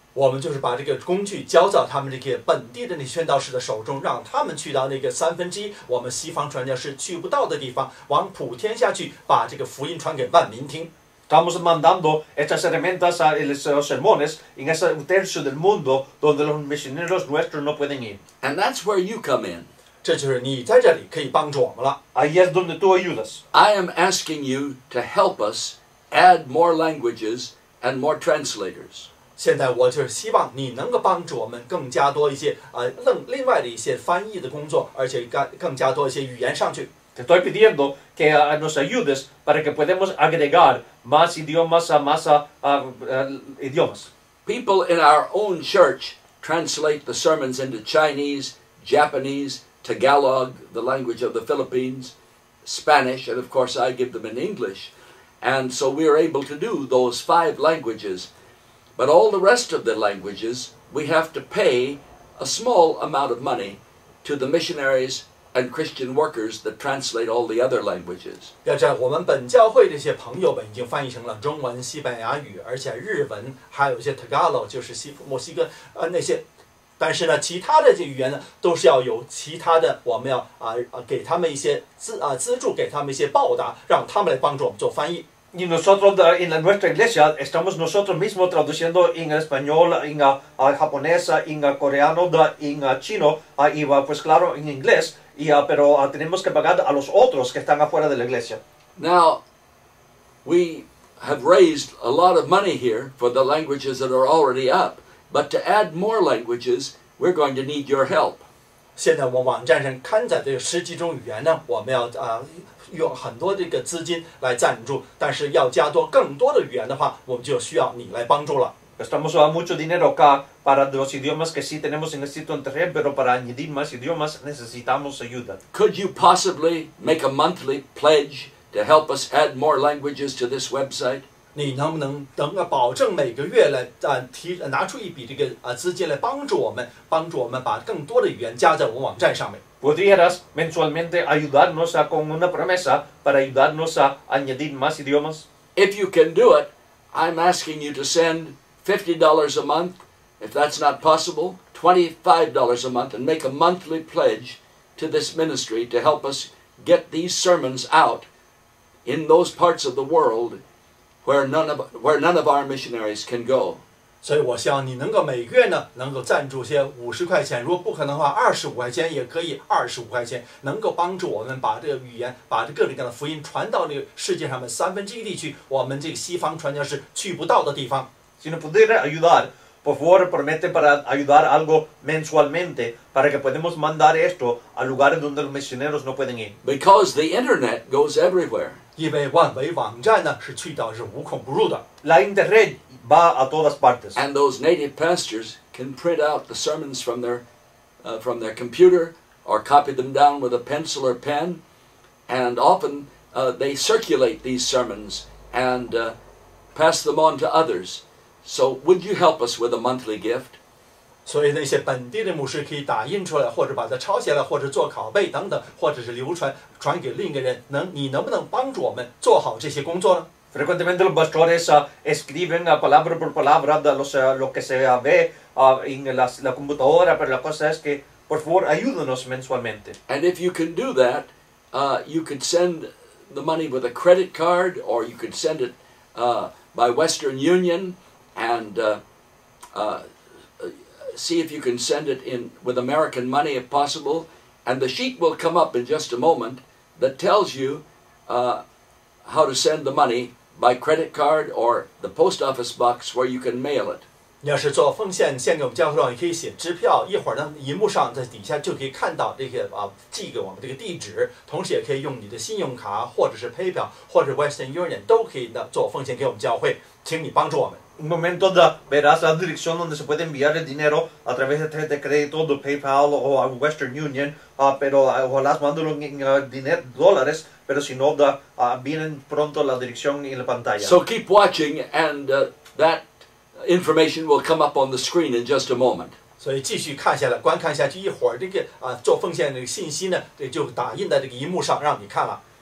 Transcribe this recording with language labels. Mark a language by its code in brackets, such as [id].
[zh] 我们就是把这个工具交到他们这个本地的那宣道士的手中，让他们去到那个三分之一我们西方传教士去不到的地方，往普天下去，把这个福音传给万民听。 [es] Estamos mandando estas herramientas a los sermones en ese tercio del mundo donde los misioneros nuestros no pueden ir. [en] And that's where you come in. [zh] 这就是你在这里可以帮助我们了。 [es] Ahí es donde tú ayudas. [en] I am asking you to help us add more languages and more translators. [zh] 现在我就是希望你能够帮助我们更加多一些另外的一些翻译的工作，而且更加多一些语言上去。 [es] Te estoy pidiendo que nos ayudes para que podamos agregar más idiomas a más idiomas. [en] People in our own church translate the sermons into Chinese, Japanese, Tagalog, the language of the Philippines, Spanish, and of course I give them in English. And so we are able to do those 5 languages. But all the rest of the languages, we have to pay a small amount of money to the missionaries and Christian workers that translate all the other languages. [zh] 要知道我们本教会这些朋友们已经翻译成了中文、西班牙语，而且日文，还有一些 Tagalog， 就是墨西哥那些。但是呢，其他的这语言呢，都是要有其他的，我们要给他们一些资助，给他们一些报答，让他们来帮助我们做翻译。 [es] Y nosotros en nuestra iglesia estamos nosotros mismos traduciendo en español, en japonés, en coreano, en chino, y pues claro, en inglés, pero tenemos que pagar a los otros que están afuera de la iglesia. [en] Now, we have raised a lot of money here for the languages that are already up, but to add more languages, we're going to need your help. [zh] 现在我网站上刊载的十几种语言呢，我们要用很多这个资金来赞助，但是要加多更多的语言的话，我们就需要你来帮助了。 [es] Estamos usando mucho dinero acá para los idiomas que sí tenemos en el sitio internet, pero para añadir más idiomas necesitamos ayuda. [en] Could you possibly make a monthly pledge to help us add more languages to this website? [zh] 你能不能等个保证每个月来提拿出一笔这个资金来帮助我们，帮助我们把更多的语言加在我们网站上面？ [es] ¿Podrías mensualmente ayudarnos con una promesa para ayudarnos a añadir más idiomas? [en] If you can do it, I'm asking you to send $50 a month. If that's not possible, $25 a month and make a monthly pledge to this ministry to help us get these sermons out in those parts of the world where none of our missionaries can go. [zh] 所以我希望你能够每月呢能够赞助些50块钱，如果不可能的话25块钱也可以，25块钱能够帮助我们把这个语言，把这各种各样的福音传到这个世界上面三分之一地区，我们这个西方传教士去不到的地方。 [es] Si no pudiera ayudar, por favor promete para ayudar algo mensualmente para que podamos mandar esto a lugares donde los misioneros no pueden ir. [en] Because the internet goes everywhere. [zh] 因为万维网站呢是去到是无孔不入的。 [es] La internet. Va a todas partes. [en] And those native pastors can print out the sermons from their computer or copy them down with a pencil or pen. And often they circulate these sermons and pass them on to others. So would you help us with a monthly gift? [zh] 所以那些本地的牧师可以打印出来，或者把它抄写了，或者做拷贝等等，或者是流传传给另一个人。你能不能帮助我们做好这些工作呢？ [es] Frecuentemente los pastores escriben palabra por palabra de lo que se ve en la computadora, pero la cosa es que, por favor, ayúdenos mensualmente. [en] And if you can do that, you could send the money with a credit card, or you could send it by Western Union, and see if you can send it in with American money if possible. And the sheet will come up in just a moment that tells you how to send the money. By credit card or the post office box where you can mail it. [zh] 你要是做奉献，献给我们教会的话，你可以写支票。一会儿呢，荧幕上在底下就可以看到这些寄给我们这个地址。同时，也可以用你的信用卡，或者是 PayPal， 或者 Western Union， 都可以呢做奉献给我们教会。请你帮助我们。 [es] Un momento de verás la dirección donde se puede enviar el dinero a través de tarjeta de crédito, de PayPal o a Western Union. Pero ojalá mándelo en dólares. Pero si no, vienen pronto la dirección en la pantalla. [en] So keep watching, and that information will come up on the screen in just a moment. [zh] 所以继续看下来，观看下去，一会儿这个做奉献的信息呢，这就打印在这个荧幕上让你看了。